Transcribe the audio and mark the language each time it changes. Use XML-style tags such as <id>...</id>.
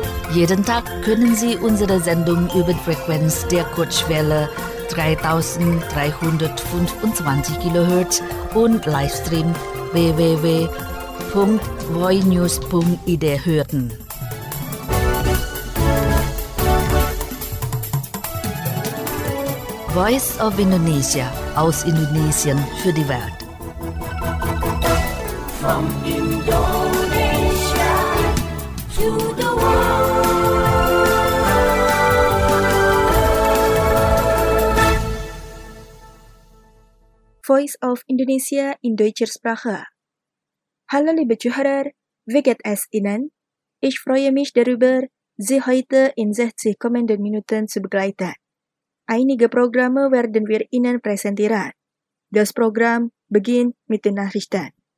<de>Jeden Tag können Sie unsere Sendung über die Frequenz der Kurzwelle 3325 kHz und Livestream www.voinews.id hören. Voice of Indonesia aus Indonesien für die Welt.</de> <en>From Indonesia to the world.</en> <de>Voice of Indonesia in deutscher Sprache. Hallo liebe Zuhörer, wie geht es Ihnen? Ich freue mich darüber, Sie heute in 60 kommenden Minuten zu begleiten. Einige Programme werden wir Ihnen präsentieren. Das Programm beginnt mit den Nachrichten.</de>